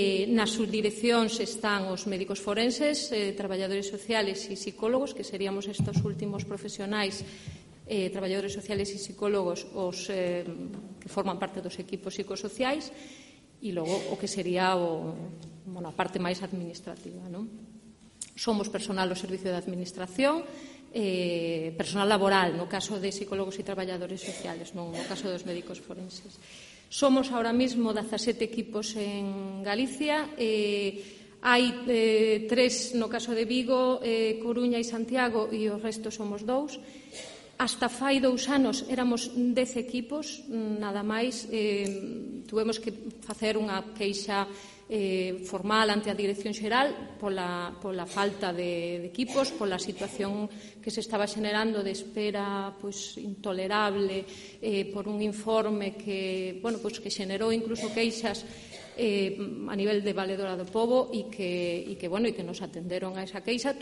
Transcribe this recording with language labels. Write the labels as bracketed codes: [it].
[gl] Nas subdireccións están os médicos forenses, traballadores sociales e psicólogos, que seríamos estes últimos profesionais, traballadores sociales e psicólogos, que forman parte dos equipos psicosociais, e logo o que sería a parte máis administrativa, non? Somos personal do Servicio de Administración, [es] personal laboral, no caso de psicólogos y trabajadores sociales, no, no caso de los médicos forenses. Somos ahora mismo 17 equipos en Galicia. Hay tres, no caso de Vigo, Coruña y Santiago, y el resto somos dos. [gl] Hasta fai dous anos éramos 10 equipos, nada máis. Tuvemos que facer unha queixa formal ante a Dirección Xeral pola falta de equipos, pola situación que se estaba xenerando de espera pues, intolerable, por un informe que, bueno, pues, que xenerou incluso queixas a nivel de Valedora do Pobo y que, bueno, y que nos atenderon a esa queixa.